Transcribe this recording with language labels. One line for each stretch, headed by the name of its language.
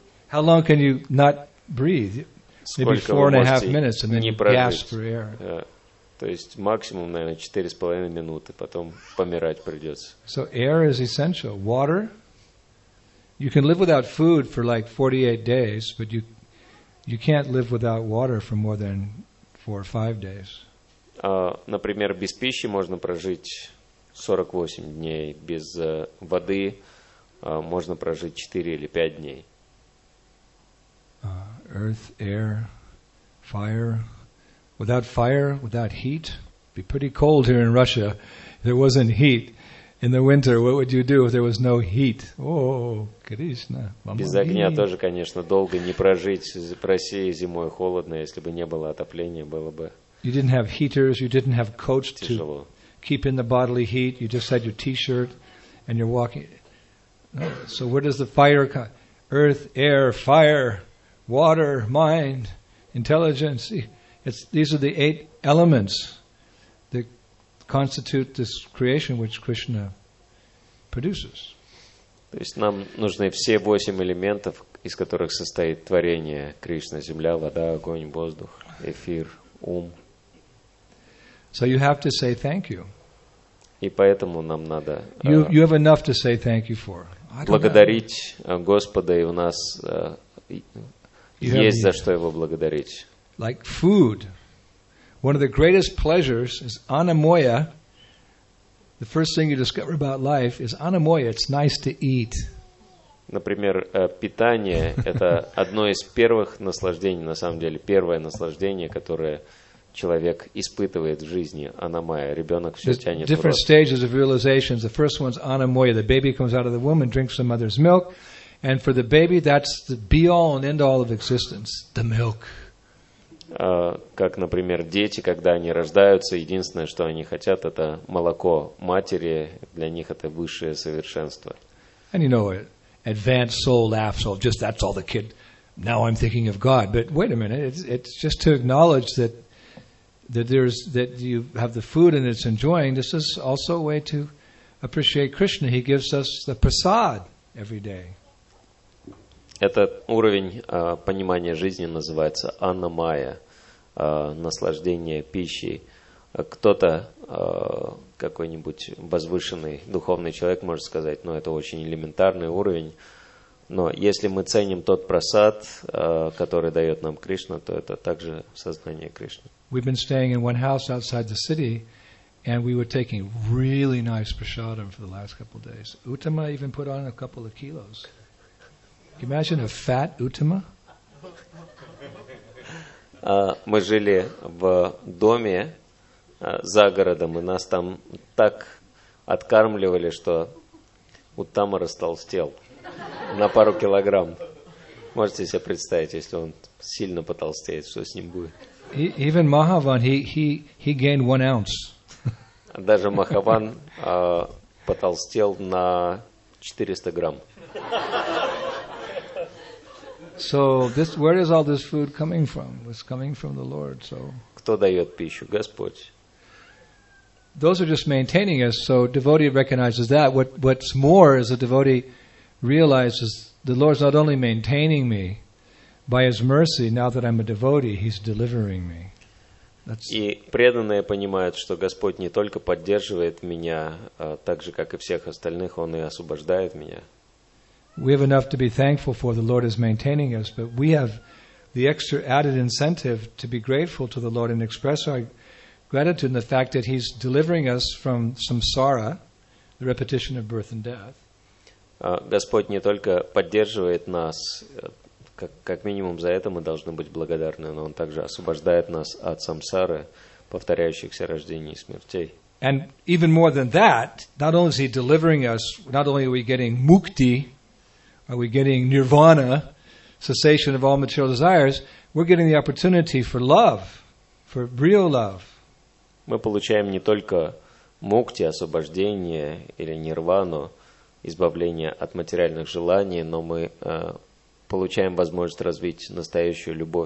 English: How long can you not breathe? Maybe 4.5 minutes, and then you gasp for air.
Russian: То есть максимум, наверное, 4.5 минуты, потом помирать придется.
English: So air is essential. Water. You can live without food for like 48 days, but you can't live without water for more than 4 or 5 days.
Russian: Например, без пищи можно прожить 48 дней, без воды можно прожить 4 или 5 дней.
English: Earth, air, fire. Without fire, without heat, it'd be pretty cold here in Russia. If there wasn't heat in the winter, what would you do if there was no heat? Oh, Krishna.
Russian: Без огня тоже, конечно, долго не прожить. В России зимой холодно, если бы не было отопления, было бы.
English: You didn't have heaters, you didn't have coats to keep in the bodily heat. You just had your t-shirt and you're walking. No. So where does the fire come? Earth, air, fire, water, mind, intelligence. These are the 8 elements that constitute this creation which Krishna produces.
Russian: То есть нам нужны все 8 элементов, из которых состоит творение Кришны: земля, вода, огонь, воздух, эфир, ум.
English: So you have to say thank you.
Russian: И поэтому нам надо.
English: You have enough to say thank you for.
Russian: Благодарить Господа, и у нас есть за что его благодарить.
English: Like food. One of the greatest pleasures is anamoya. The first thing you discover about life is anamoya. It's nice to eat.
Russian: Например, питание – это одно из первых наслаждений, на самом деле, первое наслаждение, которое человек испытывает в жизни – анамая. Ребенок все тянет в рот.
English: Different stages of realizations. The first one's anamoya. The baby comes out of the womb and drinks the mother's milk. And for the baby, that's the be-all and end-all of existence. The milk.
Russian: Как, например, дети, когда они рождаются, единственное, что они хотят, это молоко матери. Для них это высшее совершенство.
English: And you know, advanced soul laughs, oh, just that's all the kid. Now I'm thinking of God. But wait a minute, it's just to acknowledge that you have the food and it's enjoying. This is also a way to appreciate Krishna. He gives us the prasad every day.
Russian: Этот уровень понимания жизни называется анамая, наслаждение пищей. Кто-то, какой-нибудь возвышенный духовный человек может сказать, ну, это очень элементарный уровень, но если мы ценим тот просад, который дает нам Кришна, то это также сознание Кришны.
English: We've been staying in one house outside the city, and we were taking really nice prasadam for the last couple of days. Uttama even put on a couple of kilos. Imagine a fat Uttama.
Russian: Мы жили в доме за городом, и нас там так откармливали, что Уттамара растолстел на пару килограмм. Можете себе представить, если он сильно потолстеет, что с ним будет?
English: Even Mahavan, he gained 1 ounce.
Russian: Даже Махаван потолстел на 400 грамм.
English: So this, where is all this food coming from? It's coming from the Lord. So.
Russian: Кто дает пищу? Господь.
English: Those are just maintaining us. So devotee recognizes that. What's more is a devotee realizes the Lord's not only maintaining me by His mercy. Now that I'm a devotee, He's delivering me.
Russian: И преданные понимают, что Господь не только поддерживает меня, так же как и всех остальных, Он и освобождает меня.
English: We have enough to be thankful for. The Lord is maintaining us, but we have the extra added incentive to be grateful to the Lord and express our gratitude in the fact that He's delivering us from samsara, the repetition of birth and death.
Russian: Господь не только поддерживает нас. Как минимум за это мы должны быть благодарны, но Он также освобождает нас от самсары, повторяющихся рождений и смертей.
English: And even more than that, not only is He delivering us, not only are we getting mukti, are we getting nirvana, cessation of all material desires, we're getting the opportunity for love, for real love.
Russian: Мы получаем не только мукти, освобождение или нирвану, избавление от материальных желаний, но мы получаем возможность развить настоящую